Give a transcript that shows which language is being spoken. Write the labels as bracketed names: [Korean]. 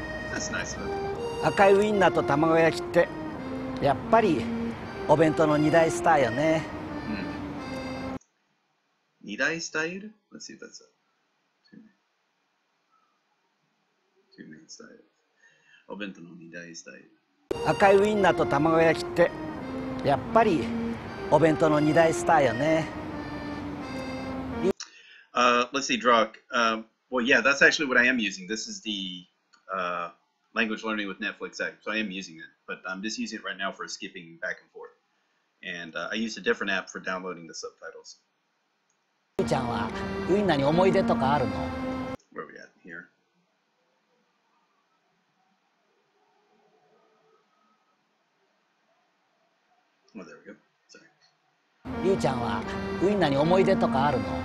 [English] That's nice, huh? [Japanese] 赤いウインナーと卵焼きってやっぱりお弁当の二大スターよね。二大スタイル？ [English] Let's see if that's a two main style. [Japanese] お弁当の二大スタイル。赤いウインナーと卵焼きってやっぱりお弁当の二大スターよね。 [English] Let's see, Drock. Well, yeah, that's actually what I am using. This is the language learning with Netflix app, so I am using it. But I'm just using it right now for skipping back and forth. And I use a different app for downloading the subtitles. [Japanese] りゅうちゃんはウインナーに思い出とかあるの？ [English] Where are we at? Here? Oh, there we go. Sorry. [Japanese] りゅうちゃんはウインナーに思い出とかあるの？